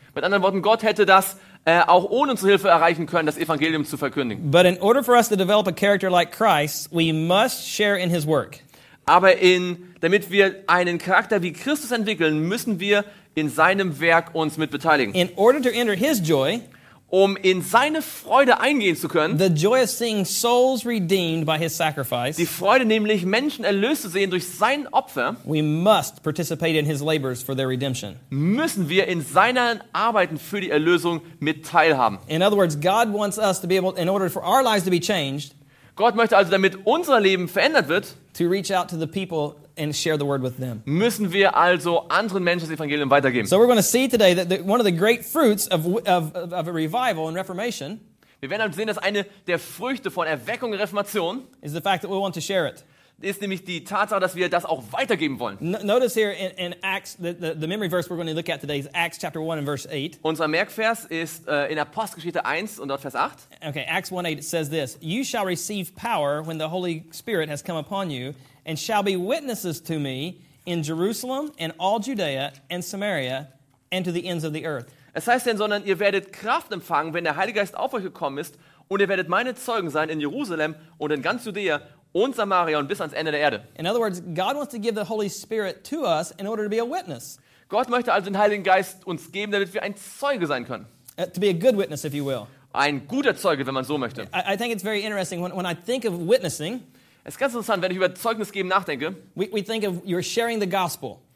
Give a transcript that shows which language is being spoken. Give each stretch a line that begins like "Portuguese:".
German: Mit anderen Worten, Gott hätte das auch ohne unsere Hilfe erreichen können, das Evangelium zu verkündigen.
English: But in order for us to develop a character like Christ, we must share in his work.
German: Aber damit wir einen Charakter wie Christus entwickeln, müssen wir in seinem Werk uns mitbeteiligen.
English: In order to enter his joy,
German: um in seine Freude eingehen zu können,
English: the joy of seeing souls redeemed by his sacrifice,
German: die Freude nämlich Menschen erlöst zu sehen durch sein Opfer,
English: we must participate in his labors for their redemption.
German: Müssen wir in seinen Arbeiten für die Erlösung mit teilhaben.
English: In other words, God wants us to be able, in order for our lives to be changed,
German: Gott möchte also, damit unser Leben verändert wird,
English: to reach out to the people and share the word with them.
German: Müssen wir also anderen Menschen das Evangelium weitergeben.
English: So we're going to see today that one of the great fruits of a revival and reformation,
German: wir werden also sehen, dass eine der Früchte von Erweckung und Reformation,
English: is the fact that we want to share it.
German: Ist nämlich die Tatsache, dass wir das auch weitergeben wollen.
English: Notice here in Acts, the memory verse we're going to look at today is Acts chapter 1 and verse 8.
German: Unser Merkvers ist in Apostelgeschichte 1 und dort Vers 8.
English: Okay, Acts 1:8 says this: You shall receive power when the Holy Spirit has come upon you, and shall be witnesses to me in Jerusalem and all Judea and Samaria and to the ends of the earth.
German: Es heißt denn, sondern ihr werdet Kraft empfangen, wenn der Heilige Geist auf euch gekommen ist, und ihr werdet meine Zeugen sein in Jerusalem und in ganz Judäa und Samaria und bis ans Ende der Erde.
English: In other words, God wants to give the Holy Spirit to us in order to be a witness.
German: Gott möchte also den Heiligen Geist uns geben, damit wir ein Zeuge sein können.
English: To be a good witness, if you will.
German: Ein guter Zeuge, wenn man so möchte.
English: I think it's very interesting when I think of witnessing.
German: Es ist ganz interessant, wenn ich über Zeugnis geben nachdenke.
English: We think of you're sharing the gospel.